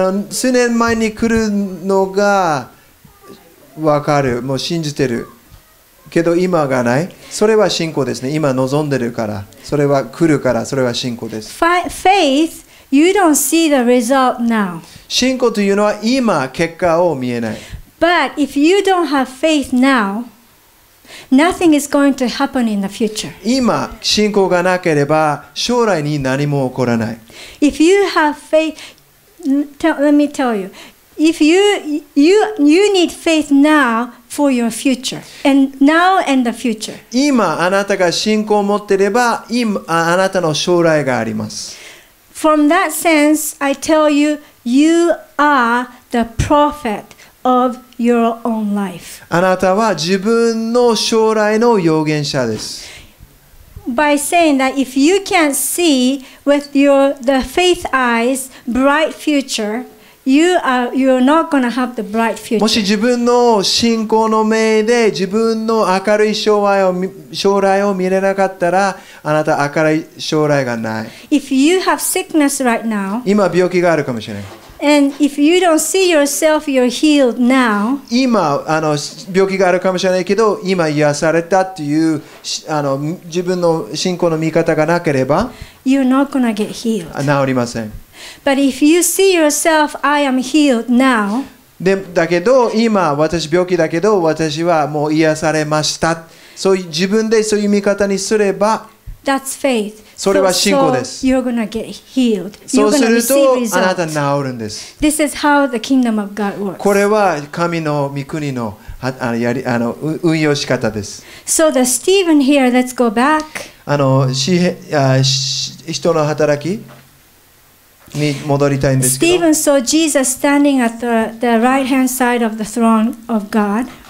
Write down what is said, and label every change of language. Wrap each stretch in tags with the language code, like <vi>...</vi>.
<ja>数年前に来るのが分かる、もう信じてる。けど今がない。それは信仰ですね。今望んでるから、それは来るから、それは信仰です。</ja> <en>Faith. You don't see the result now.</en> <ja>信仰というのは今結果を見えない。</ja> <en>But if you don't have faith now, nothing is going to happen in the future.</en> <ja>今信仰がなければ将来に何も起こらない。</ja> <en>If you have faith, let me tell you, if you need faith now for your future, and now and the future.</en> <ja>今あなたが信仰を持っていれば、今あなたの将来があります。</ja> <en>From that sense, I tell you, you are the prophet of your own life.</en> <ja>あなたは自分の将来の預言者です。</ja> <en>By saying that if you can't see with the faith eyes bright future, you're not going to have the bright future.</en> <ja>もし自分の信仰の目で自分の明るい将来を見れなかったら、あなた明るい将来がない。</ja> <en>If you have sickness right now,</en> <ja>今病気があるかもしれない。</ja> <en>And if you don't see yourself, you're healed now.</en> <ja>今病気があるかもしれないけど、今癒されたっていう自分の信仰の見方がなければ、</ja> <en>you're not going to get healed.</en> <ja>治りません。</ja> <en>But if you see yourself, I am healed now.</en> <ja>でだけど今私病気だけど私はもう癒されました。そういう自分でそういう見方にすれば、</ja> <en>That's faith.</en> <ja>それは信仰です。</ja> <en>So, you're gonna get healed.</en> <ja>そうするとあなた治るんです。</ja> <en>This is how the kingdom of God works.</en> <ja>これは神の御国の運用し方です。</ja> <en>So the Stephen here, let's go back.</en> <ja>人の働き。に戻りたいんですけど。</ja> <en>Stephen saw Jesus standing at the right-hand side of the throne of God.</en>